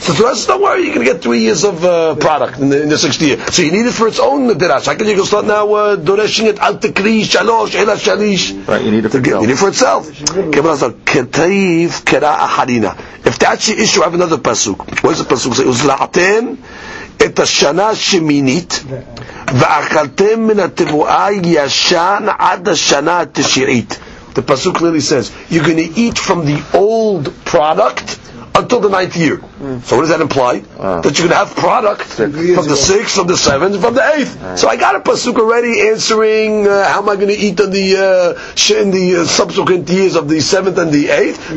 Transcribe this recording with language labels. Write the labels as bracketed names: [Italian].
[English] So the Torah says, don't worry, you're going to get 3 years of product in the sixth year. So you need it for its own dirash. How can you start now doreshing it? [Hebrew] Al tikri shalosh, ela shalish. [English] Right, you need it for itself. Gemara says, [Aramaic] ketayif kera aharina. [English] If that's your issue, I have another pasuk. What does the pasuk say? [Hebrew] Uzla'ten את השנה השמינית ואכלתם מן התבואה ישן עד השנה התשיעית. [English] The pasuk clearly says you're going to eat from the old product until the ninth year. So what does that imply? That you're going to have product from the sixth, from the seventh, from the eighth. So I got a pasuk already answering how am I going to eat in the subsequent years of the seventh and the eighth.